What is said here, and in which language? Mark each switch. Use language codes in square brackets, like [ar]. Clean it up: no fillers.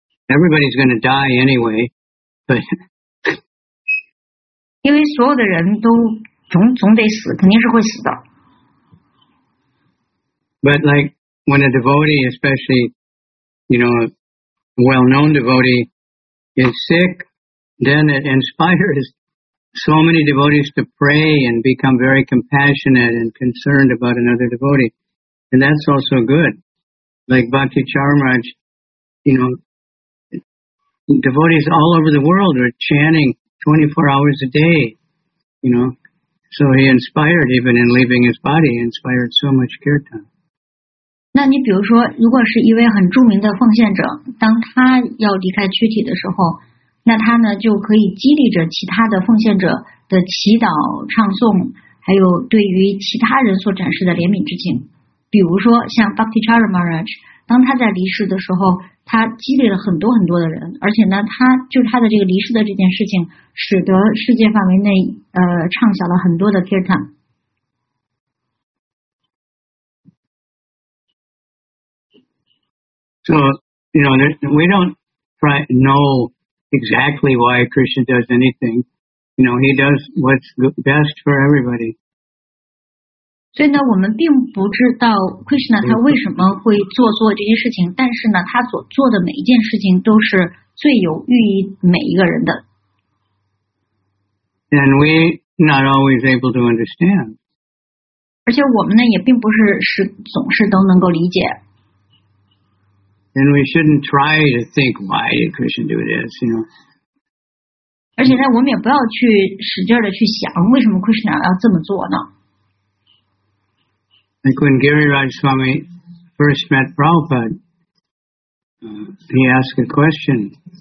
[en] Everybody's going to die anyway, but... [zh] 因为所有的人都 总得死，肯定是会死的。 [en] But like when a devotee, especially, you know, a well-known devotee is sick, then it inspires so many devotees to pray and become very compassionate and concerned about another devotee. And that's also good. Like Bhakti Charmaj, you know, devotees all over the world are chanting 24 hours a day, you know. So he inspired, even in leaving his body, he inspired so much kirtan. [zh] 那你比如说如果是一位很著名的奉献者当他要离开躯体的时候那他呢就可以激励着其他的奉献者的祈祷唱诵还有对于其他人所展示的怜悯之情。比如说像 Bhakti Charmaraj, 当他在离世的时候他激励了很多很多的人而且呢他就他的这个离世的这件事情使得世界范围内唱响了很多的 kirtan。 [en] So, you know, we don't try to know exactly why Krishna does anything. You know, he does what's best for everybody. [zh] 所以呢我们并不知道 Krishna 他为什么会做这些事情但是呢他所做的每一件事情都是最有寓意每一个人的。 [en] And we're not always able to understand. [zh] 而且我们呢也并不是总是都能够理解。 [en] And we shouldn't try to think why did Krishna do this, you know. [zh] 而且呢，我们也不要去使劲的去想为什么 Krishna 要这么做呢。 [en] Like when Giriraj Swami first met Prabhupada, he asked a question.